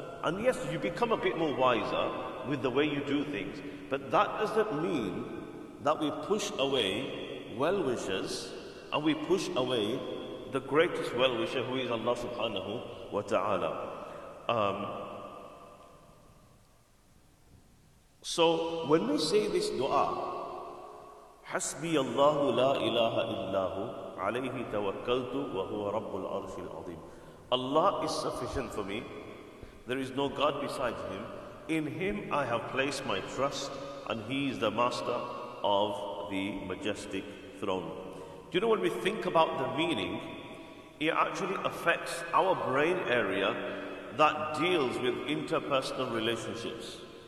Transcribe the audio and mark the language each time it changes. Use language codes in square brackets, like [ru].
[en] And yes, you become a bit more wiser with the way you do things, but that doesn't mean that we push away well-wishers, and we push away the greatest well-wisher, who is Allah subhanahu wa ta'ala. So when we say this dua, [ar] حسبي الله لا إله إلا هو عليه توكلت وهو رب العرش العظيم. [en] Allah is sufficient for me. There is no God besides Him. In Him I have placed my trust, and He is the master of the majestic throne. Do you know, when we think about the meaning, it actually affects our brain area that deals with interpersonal relationships.